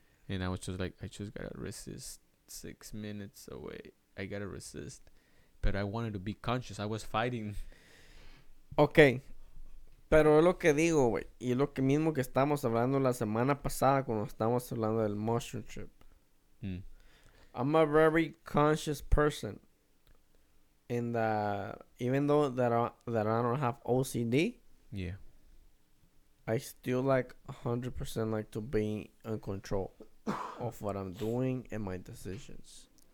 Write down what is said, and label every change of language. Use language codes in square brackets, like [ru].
[en] And I was just like, I just gotta resist. 6 minutes away. I gotta resist. But I wanted to be conscious. I was fighting. [es] Okay. Pero es lo que digo, güey. Y es lo que mismo que estábamos hablando la semana pasada cuando estábamos hablando del mushroom trip. [en] I'm a very conscious person. And even though that I don't have OCD. Yeah. I still like 100% like to be in control of what I'm doing and my decisions.